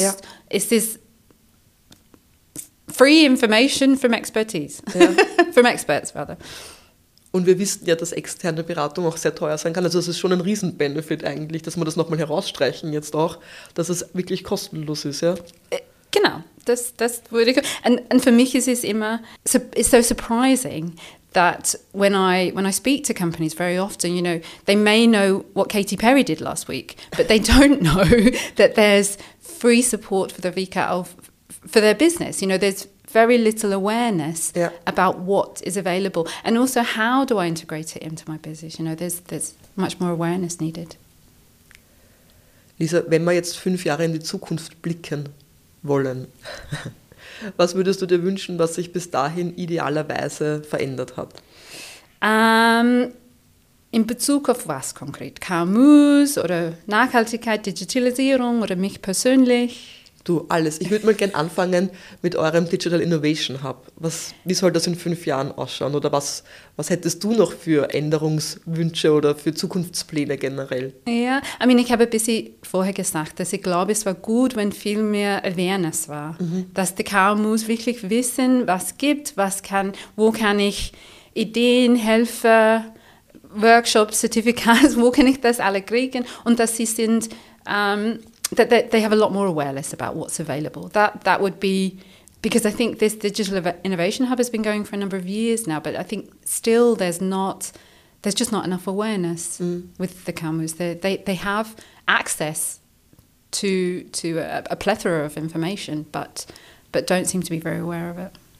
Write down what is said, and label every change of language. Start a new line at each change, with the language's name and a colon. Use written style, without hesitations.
English: Ja.
German: Es ist
English: free information from expertise. Ja. From experts, rather.
German: Und wir wissen ja, dass externe Beratung auch sehr teuer sein kann. Also es ist schon ein Riesen-Benefit eigentlich, dass wir das nochmal herausstreichen jetzt auch, dass es wirklich kostenlos ist, ja? Genau. Das würde ich, und für mich ist es immer,
English: it's so surprising that when I speak to companies very often, you know, they may know what Katy Perry did last week, but they don't know that there's free support for the VKL for their business. You know, there's very little awareness about what is available. And also, how do I integrate it into my business? You know, there's much more awareness needed.
German: Lisa, wenn wir jetzt 5 Jahre in die Zukunft blicken wollen, was würdest du dir wünschen, was sich bis dahin idealerweise verändert hat? In Bezug auf was konkret? KMUs oder Nachhaltigkeit, Digitalisierung oder mich persönlich? Du, alles. Ich würde mal gerne anfangen mit eurem Digital Innovation Hub. Wie soll das in 5 Jahren ausschauen? Oder was hättest du noch für Änderungswünsche oder für Zukunftspläne generell? Ja, ich habe ein bisschen vorher gesagt, dass ich glaube, es war gut, wenn viel mehr Awareness war. Dass die KMUs wirklich wissen, was gibt, wo kann ich Ideen helfen, Workshops, Zertifikate, wo kann ich das alle kriegen? Und dass sie sind...
English: that they have a lot more awareness about what's available. That would be, because I think this Digital Innovation Hub has been going for a number of years now, but I think still there's just not enough awareness with the KMUs. They have access to a plethora of information, but don't seem to be very aware of it.